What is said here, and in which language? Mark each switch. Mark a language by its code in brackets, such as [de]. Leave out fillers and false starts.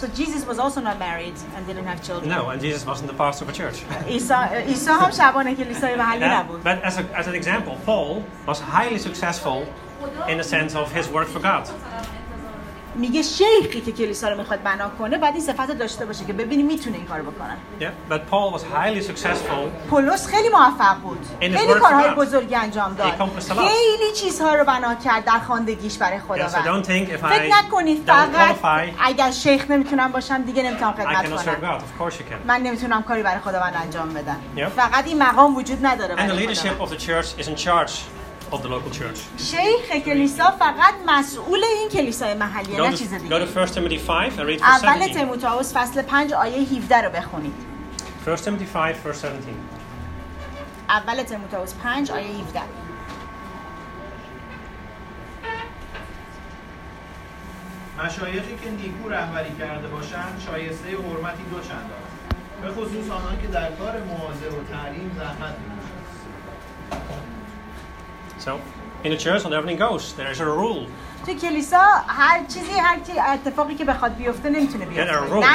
[en] So Jesus was also not married and didn't have children. No, and Jesus wasn't the pastor of a church. [fa] عیسی هم شبانه کلیسای محلی نبود. [en] But as an example, Paul was highly successful in the sense of his work for God. [fa] میگه شیخی که کلیسا رو میخواد بنا کنه بعد این صفت داشته باشه که ببینیم میتونه این کار بکنه. [en] Yeah, but Paul was highly successful. [fa] پولس خیلی موفق بود. خیلی کارهای بزرگی انجام داد. خیلی چیزها رو بنا کرد در خواندگیش برای خداوند. [en] Yes, [fa] فکر نکنید فقط اگر شیخ نمیتونم باشم دیگه نمیتونم خدمت کنم. من نمیتونم کاری برای خداوند انجام بدم. [en] Yeah. [fa] فقط این مقام وجود نداره. [en] And the leadership of the church is in charge of the local church. [fa] شیخ کلیسا فقط مسئول این کلیسای محلی نه چیز دیگه. [en] Go to 1 Timothy 5 and read verse 17. [fa] اول تیموتائوس فصل 5 آیه 17 رو بخونید. [en] 1 Timothy 5 verse 17. [fa] اول تیموتائوس 5 آیه 17. مشایخی که نیکو رهبری کرده باشند شایسته حرمتی دو چندان به خصوص آنان که در کار مواظب و تعلیم زحمت می‌کشند. [en] So in the church, when everything goes, there is a rule. [fa] تو کلیسا هر چیزی هر اتفاقی که بخواد بیفته نمیتونه بیفته.